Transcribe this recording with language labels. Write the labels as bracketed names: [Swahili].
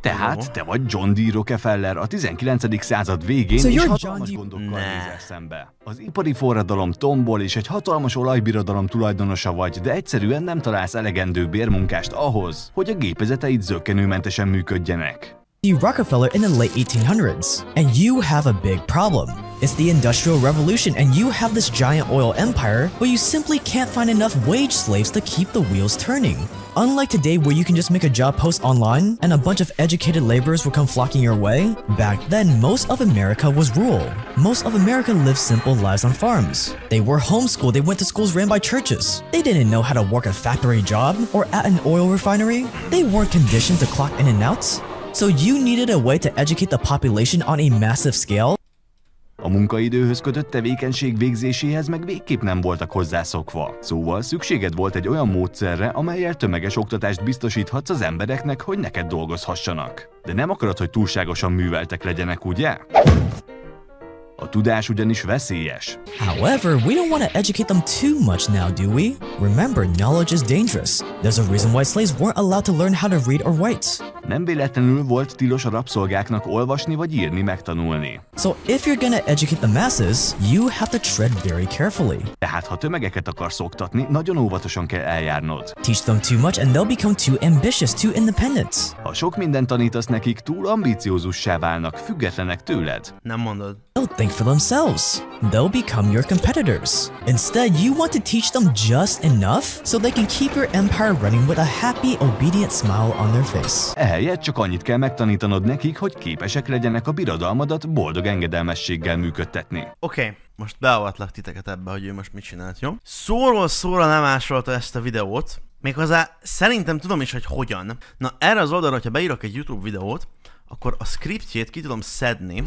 [Hungarian] Tehát te vagy John D. Rockefeller a 19. század végén és hatalmas gondokkal nézel szembe. Az ipari forradalom tombol és egy hatalmas olajbirodalom tulajdonosa vagy, de egyszerűen nem találsz elegendő bérmunkást ahhoz, hogy a gépezeteid zökkenőmentesen működjenek. [English] You Rockefeller in the late 1800s, and you have a big problem. It's the Industrial Revolution, and you have this giant oil empire, but you simply can't find enough wage slaves to keep the wheels turning. Unlike today, where you can just make a job post online, and a bunch of educated laborers will come flocking your way, back then, most of America was rural. Most of America lived simple lives on farms. They were homeschooled, they went to schools ran by churches. They didn't know how to work a factory job, or at an oil refinery. They weren't conditioned to clock in and out. So you needed a way to educate the population on a massive scale? [Hungarian] A munkaidőhöz kötött tevékenység végzéséhez meg végképp nem voltak hozzászokva. Szóval szükséged volt egy olyan módszerre, amellyel tömeges oktatást biztosíthatsz az embereknek, hogy neked dolgozhassanak. De nem akarod, hogy túlságosan műveltek legyenek, ugye? A tudás ugyanis veszélyes. [English] However, we don't want to educate them too much now, do we? Remember, knowledge is dangerous. There's a reason why slaves weren't allowed to learn how to read or write. [Hungarian] Nem véletlenül volt tilos a rabszolgáknak olvasni vagy írni megtanulni. [English] So if you're gonna educate the masses, you have to tread very carefully. [Hungarian] Tehát ha tömegeket akarsz oktatni, nagyon óvatosan kell eljárnod. [English] Teach them too much and they'll become too ambitious, too independent. [Hungarian] Ha sok mindent tanítasz nekik, túl ambiciózussá válnak, függetlenek tőled. Nem mondod. [English] They'll think for themselves. They'll become your competitors. Instead, you want to teach them just enough so they can keep your empire running with a happy, obedient smile on their face. [Hungarian] Ehelyett csak annyit kell megtanítanod nekik, hogy képesek legyenek a birodalmadat boldog engedelmességgel működtetni. Oké, most beavatlak titeket ebbe, hogy ő most mit csinált, jó? Szóról szóra lemásolta ezt a videót, méghozzá szerintem tudom is, hogy hogyan. Na erre az oldalra, hogyha beírok egy YouTube videót, akkor a scriptjét ki tudom szedni.